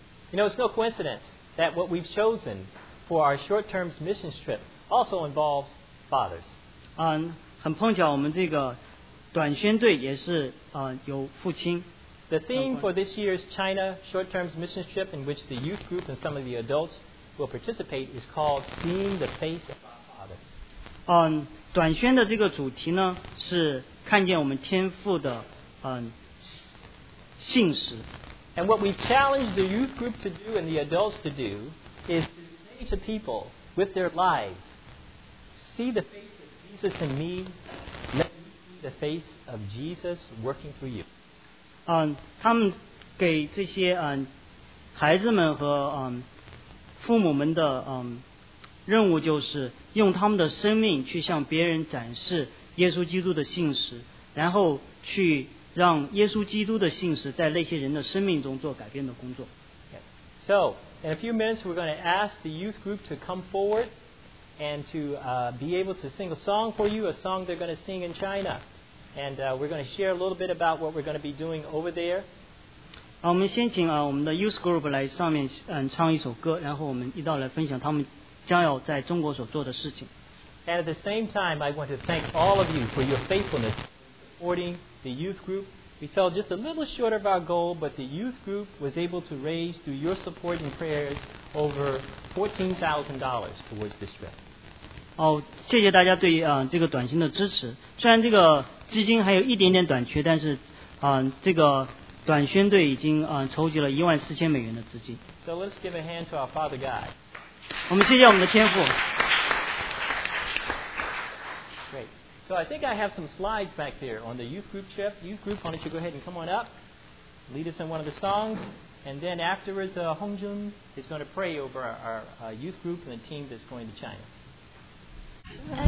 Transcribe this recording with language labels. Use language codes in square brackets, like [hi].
[en] You know, it's no coincidence that what we've chosen for our short-term missions trip also involves fathers. [zh] 很碰巧我们这个短宣队也是有父亲。 [en] The theme for this year's China short-term missions trip in which the youth group and some of the adults will participate is called Seeing the Face of Our Father. [zh] 短宣的这个主题呢是看见我们天父的信实。 [en] And what we challenge the youth group to do and the adults to do is to people with their lives, see the face of Jesus in me, let me see the face of Jesus working through you. [zh] 他们给这些孩子们和父母们的任务就是用他们的生命去向别人展示耶稣基督的信实，然后去让耶稣基督的信实在那些人的生命中做改变的工作。 [en] So, in a few minutes, we're going to ask the youth group to come forward and to be able to sing a song for you, a song they're going to sing in China. And we're going to share a little bit about what we're going to be doing over there. [zh] 我们先请我们的 [en] youth group [zh] 来上面唱一首歌，然后我们一道来分享他们将要在中国所做的事情。 [en] And at the same time, I want to thank all of you for your faithfulness supporting the youth group. We fell just a little short of our goal, but the youth group was able to raise, through your support and prayers, over $14,000 towards this trip. [zh] 谢谢大家对这个短信的支持。虽然这个资金还有一点点短缺，但是这个短宣队已经筹集了$14,000的资金。 [en] So let's give a hand to our Father God. [zh] 我们谢谢我们的天父。 [en] So I think I have some slides back there on the youth group trip. Youth group, why don't you go ahead and come on up, lead us in one of the songs, and then afterwards, Hongjun is going to pray over our youth group and the team that's going to China.